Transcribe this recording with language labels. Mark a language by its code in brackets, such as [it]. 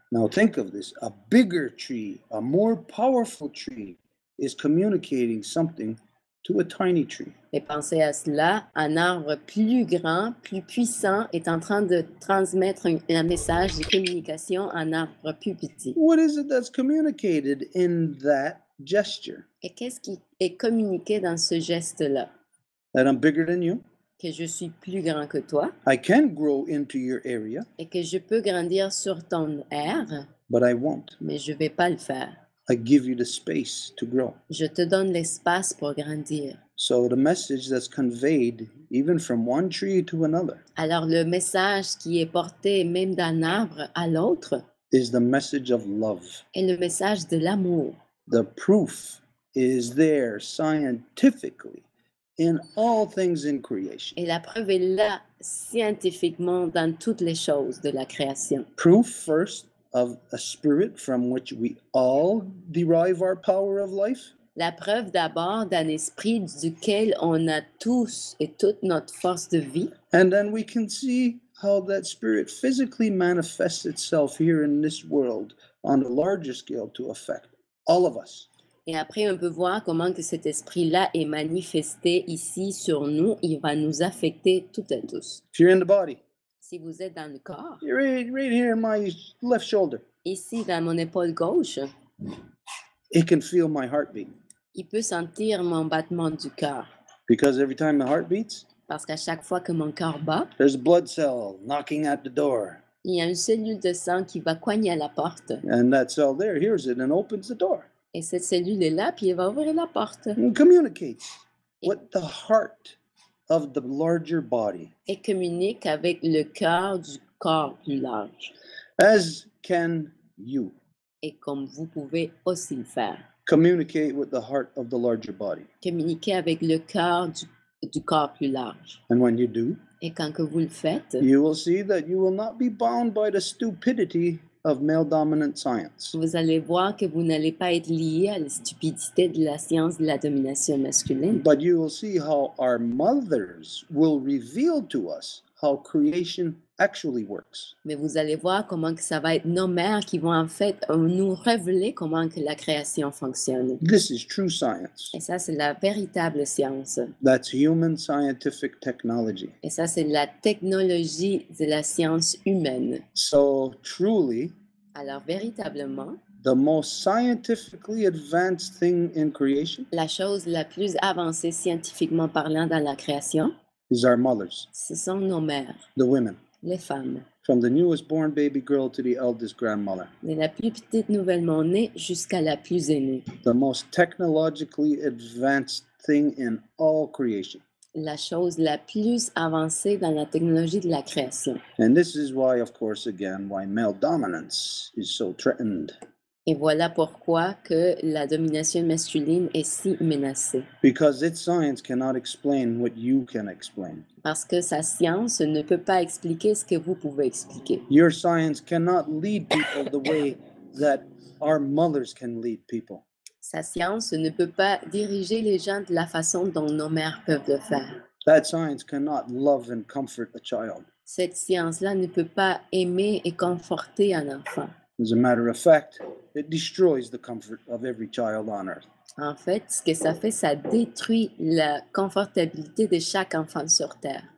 [en] Now think of this. A bigger tree, a more powerful tree, is communicating something to a tiny tree. [fr] Et pensez à cela. Un arbre plus grand, plus puissant, est en train de transmettre un message de communication à un arbre plus petit. [en] What is it that's communicated in that gesture? [fr] Et qu'est-ce qui est communiqué dans ce geste-là? [en] That I'm bigger than you. [fr] Que je suis plus grand que toi. [en] I can grow into your area. [fr] Et que je peux grandir sur ton aire. [en] But I won't. [fr] Mais je vais pas le faire. [en] I give you the space to grow. [fr] Je te donne l'espace pour grandir. [en] So the message that's conveyed even from one tree to another. [fr] Alors le message qui est porté même d'un arbre à l'autre. [en] Is the message of love. [fr] Est le message de l'amour. [en] The proof is there scientifically. In all things in creation. [fr] Et la preuve est là, scientifiquement, dans toutes les choses de la création. [en] Proof first of a spirit from which we all derive our power of life. [fr] La preuve d'abord d'un esprit duquel on a tous et toute notre force de vie. [en] And then we can see how that spirit physically manifests itself here in this world on a larger scale to affect all of us. [fr] Et après, on peut voir comment que cet esprit-là est manifesté ici sur nous. Il va nous affecter toutes et tous. [en] If you're in the body, [fr] si vous êtes dans le corps, [en] you're right here in my left shoulder, [fr] ici dans mon épaule gauche, [en] it can feel my heartbeat. [fr] Il peut sentir mon battement du cœur. [en] Because every time my heart beats, [fr] parce qu'à chaque fois que mon cœur bat, [en] there's a blood cell knocking at the door. [fr] Il y a une cellule de sang qui va cogner à la porte. [en] And that cell there hears it and opens the door. [fr] Et cette cellule est là, puis elle va ouvrir la porte. [en] And communicates with the heart of the larger body. [fr] Et communique avec le cœur du corps plus large. [en] As can you. [fr] Et comme vous pouvez aussi le faire. [en] Communicate with the heart of the larger body. [fr] Communiquer avec le cœur du corps plus large. [en] And when you do. [fr] Et quand que vous le faites. [en] You will see that you will not be bound by the stupidity of male dominant science. [fr] Vous allez voir que vous n'allez pas être lié à la stupidité de la science de la domination masculine. [en] But you will see how our mothers will reveal to us how creation actually works. [fr] Mais vous allez voir comment que ça va être nos mères qui vont en fait nous révéler comment que la création fonctionne. [en] This is true science. [fr] Et ça, c'est la véritable science. [en] That's human scientific technology. [fr] Et ça, c'est la technologie de la science humaine. [en] So truly, [fr] alors véritablement, [en] the most scientifically advanced thing in creation, [fr] la chose la plus avancée scientifiquement parlant dans la création, [en] is our mothers. [fr] Ce sont nos mères. [en] The women. [fr] Les femmes. [en] From the newest born baby girl to the eldest grandmother. [fr] De la plus petite nouvellement née jusqu'à la plus aînée. [en] The most technologically advanced thing in all creation. [fr] La chose la plus avancée dans la technologie de la création. [en] And this is why, of course, again, why male dominance is so threatened. [fr] Et voilà pourquoi que la domination masculine est si menacée. [en] Because its science cannot explain what you can explain. [fr] Parce que sa science ne peut pas expliquer ce que vous pouvez expliquer. [en] Your science cannot lead people the way that our mothers can lead people. [fr] Sa science ne peut pas diriger les gens de la façon dont nos mères peuvent le faire. [en] That science cannot love and comfort a child. [fr] Cette science-là ne peut pas aimer et conforter un enfant. [en] As a matter of fact, it destroys the comfort of every child on earth. [fr] En fait, ce que ça fait, ça détruit la confortabilité de chaque enfant sur terre.